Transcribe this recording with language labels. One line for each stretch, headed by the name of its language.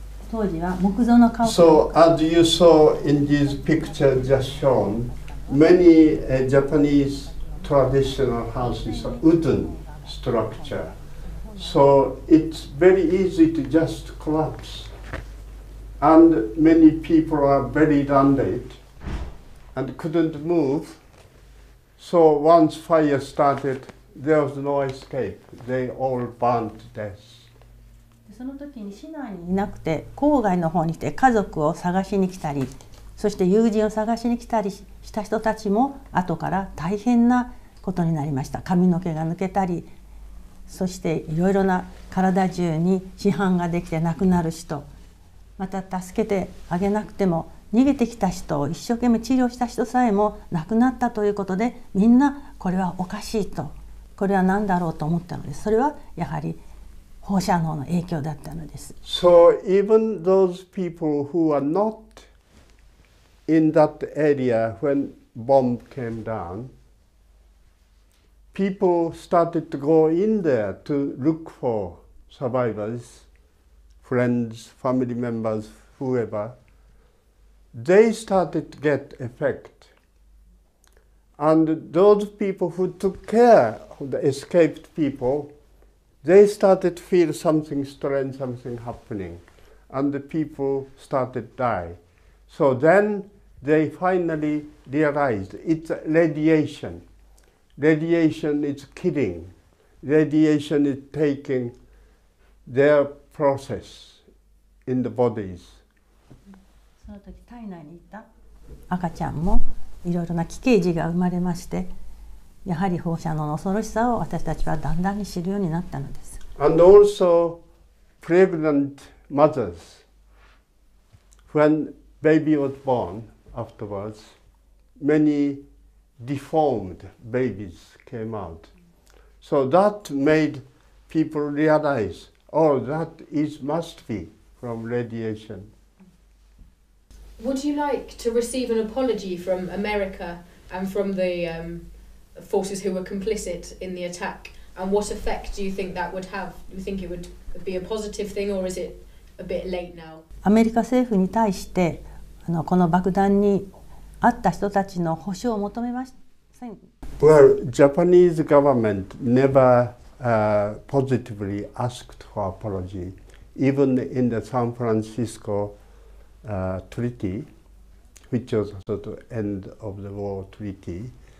English: So as you saw in this picture just shown,Many Japanese traditional houses are wooden structure, so it's very easy to just collapse. And many people are buried under it and couldn't move. So once fire started, there was no escape. They all burned to death.
Japanese: その時に市内にいなくて、郊外の方にいて家族を探しに来たり、そして友人を探しに来たりした人たちも後から大変なことになりました。髪の毛が抜けたり、そしていろいろな体中に死斑ができて亡くなる人、また助けてあげなくても逃げてきた人を一生懸命治療した人さえも亡くなったということで、みんなこれはおかしいと、これは何だろうと思ったので、それはやはり放射能の影響だったのです。
English: So even those people who are notIn that area when bomb came down, people started to go in there to look for survivors, friends, family members, whoever. They started to get effect. And those people who took care of the escaped people, they started to feel something strange, something happening. And the people started to die. So then,They finally realized it's radiation. Radiation is killing. Radiation is taking their process in the bodies.
Japanese: その時体内にいた赤ちゃんもいろいろな奇形児が生まれまして、やはり放射能の恐ろしさを私たちはだんだんに知るようになったのです。
English: And also pregnant mothers, when baby was born,Afterwards, many deformed babies came out. So that made people realize, oh, that is must be from radiation. Would you like to receive an apology from America and from the forces who were complicit in the attack? And what effect do you think that would have? Do you think it would be a positive thing, or is it a bit late now?
Japanese: アメリカ政府に対してこの爆弾に遭った人たちの補償を求めませんか?
English: Well, Japanese government never positively asked for apology, even in the San Francisco Treaty, which was sort of end of the war treaty.